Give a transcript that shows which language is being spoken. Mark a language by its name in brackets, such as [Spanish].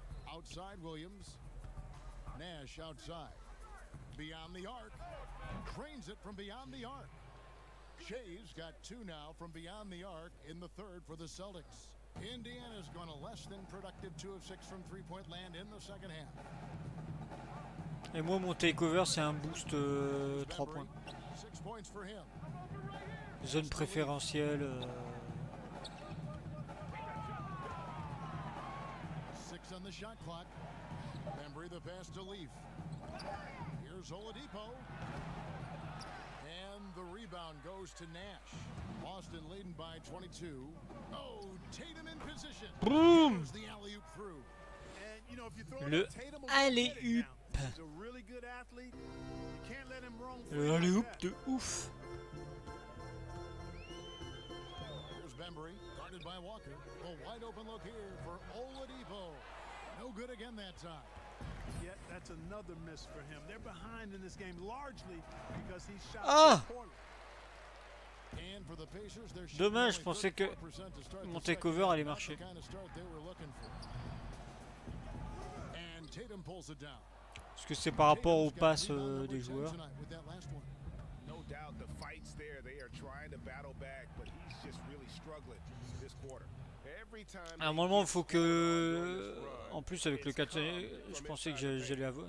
[English] Outside Williams. Nash outside. Beyond the arc. Drains it from beyond the arc. Shaves got two now from beyond the arc in the third for the Celtics. Indiana's gone a less than productive 2 of 6 from three-point land in the second half. [French] Et moi, mon takeover, c'est un boost 3 points. [English] 6 points for him. [French] Zone préférentielle. [English] 6 on the shot clock. Bembry the pass to Leaf. Here's Oladipo. And the rebound goes to Nash. Austin leading by 22. Oh, Tatum in position. Boom! The alley-oop through. And you know, if you throw le Tatum alley-oop. He's a really good athlete. You can't let him roam. [French] L'alley-oop de ouf. [English] Here's Bembry, guarded by Walker. A wide open look here for Oladipo. No good again that time. Yet that's another miss for him. They're behind in this game largely because he shot poorly. And for the Pacers, they're shooting 4% to start the second half. That's the kind of start they were looking for. And Tatum pulls it down. [French] Est-ce que c'est par rapport aux passes des joueurs? [English] No doubt the fight's there. They are trying to battle back, but he's just really struggling this quarter. [French] À un moment, il faut que. En plus, avec le 4, je pensais que j'allais avoir.